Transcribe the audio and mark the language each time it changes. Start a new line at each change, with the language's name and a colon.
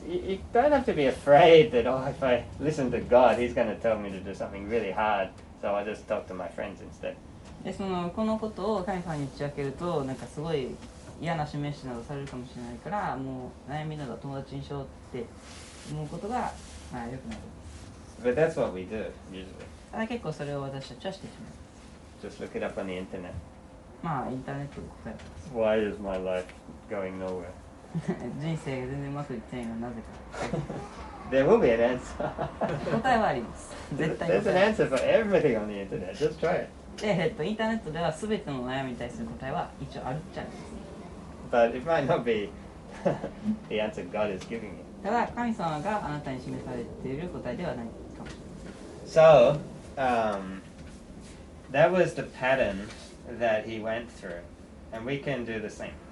English: You don't have to be afraid that oh, if I listen to God, He's going to tell me to do something really hard. So I just talk to my friends instead.
Japanese: で、そのこのことを神様に打ち明けるとなんかすごい嫌な示しなどされるかもしれないから、もう悩みなど友達にしようって思うことが、まあ、よくなる。
English: But that's what we do usually.
Japanese: ただ結構それを私たちはしてしまう。
English: Just look it up on the internet.
Japanese: まあ、インターネットで答えます。
English: Why is my life going nowhere?
Japanese: 人生が全然うまくいってないのはなぜか。
English: There will be an answer.
Japanese: 答えはあります。絶対に
English: There's an answer for everything on the internet. Just try it.
Japanese: で、インターネットでは全ての悩みに対する答えは一応あるっちゃあります。
English: But it might not be the answer God is giving you.
Japanese: ただ、神様があなたに示されている答えではないかもしれません。
English: So, that was the patternthat he went through, and we can do the same.